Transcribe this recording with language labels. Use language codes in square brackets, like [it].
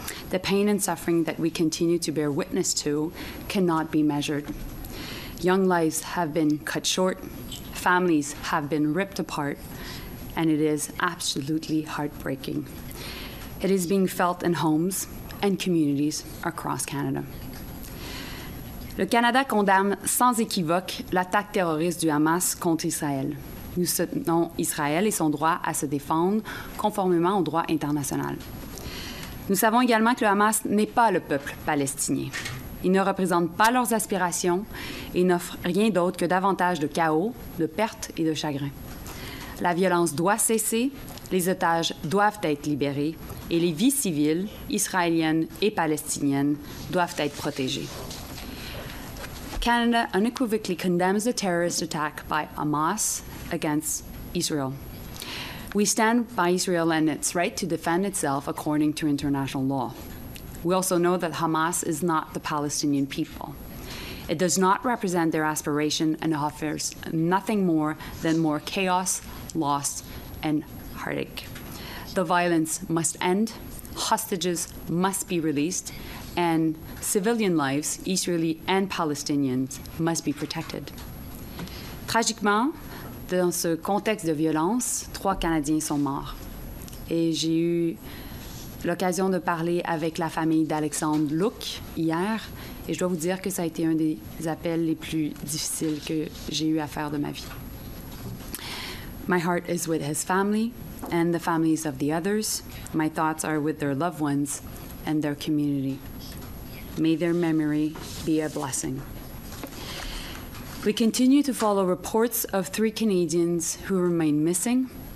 [en] The pain and suffering that we continue to bear witness to cannot be measured. Young lives have been cut short, families have been ripped apart, and it is absolutely heartbreaking. It is being felt in homes and communities across Canada. [fr] Le Canada condamne sans équivoque l'attaque terroriste du Hamas contre Israël. Nous soutenons Israël et son droit à se défendre conformément au droit international. Nous savons également que le Hamas n'est pas le peuple palestinien. Il ne représente pas leurs aspirations et n'offre rien d'autre que davantage de chaos, de pertes et de chagrin. La violence doit cesser, les otages doivent être libérés et les vies civiles, israéliennes et palestiniennes, doivent être protégées. [en] Canada unequivocally condemns the terrorist attack by Hamas against Israel. We stand by Israel and its right to defend itself according to international law. We also know that Hamas is not the Palestinian people. It does not represent their aspiration and offers nothing more than more chaos, loss, and heartache. The violence must end, hostages must be released, and civilian lives, Israeli and Palestinian, must be protected. [fr] Tragiquement, dans ce contexte de violence, trois Canadiens sont morts. Et j'ai eu l'occasion de parler avec la famille d'Alexandre Luc hier, et je dois vous dire que ça a été un des appels les plus difficiles que j'ai eu à faire de ma vie. [en] My heart is with his family and the families of the others. My thoughts are with their loved ones and their community. May their memory be a blessing. We continue to follow reports of three Canadians who remain missing.